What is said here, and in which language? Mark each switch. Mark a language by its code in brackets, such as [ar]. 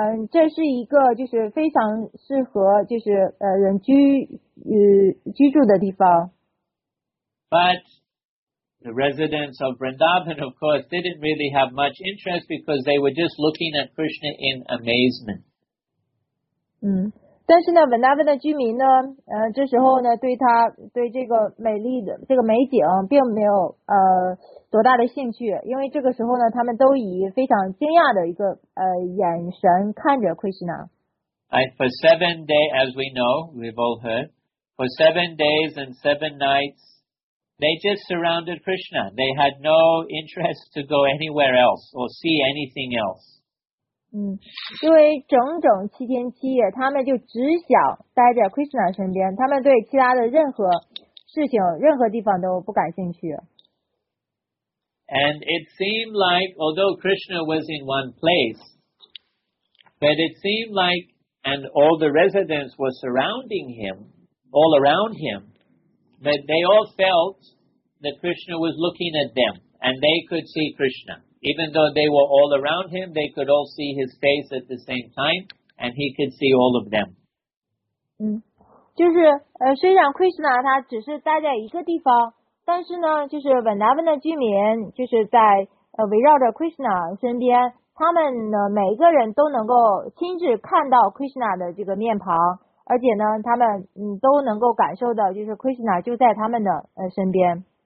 [zh] 这是一个就是非常适合就是人居居住的地方。 [en] But the residents of Vrindavan, of course, didn't really have much interest because they were just looking at Krishna in amazement. [zh] 但是呢 ，Vrindavan 的居民呢，这时候呢，对他对这个美丽的这个美景并没有多大的兴趣，因为这个时候呢，他们都以非常惊讶的一个眼神看着 Krishna。 [en] For 7 days, as we know, we've all heard, for 7 days and 7 nights, they just surrounded Krishna. They had no interest to go anywhere else or see anything else. [zh] 因为整整七天七夜，他们就只想待在 Krishna 身边，他们对其他的任何事情、任何地方都不感兴趣。 [en] And it seemed like, although Krishna was in one place, but it seemed like, and all the residents were surrounding him, all around him, but they all felt that Krishna was looking at them, and they could see Krishna. Even though they were all around him, they could all see his face at the same time, and he could see all of them. [zh] 就是虽然 Krishna 他只是待在一个地方。但是呢，就是 Vrindavan 的居民，就是在围绕着 Krishna 身边，他们呢每一个人都能够亲自看到 Krishna 的这个面庞，而且呢，他们都能够感受到，就是 Krishna 就在他们的身边。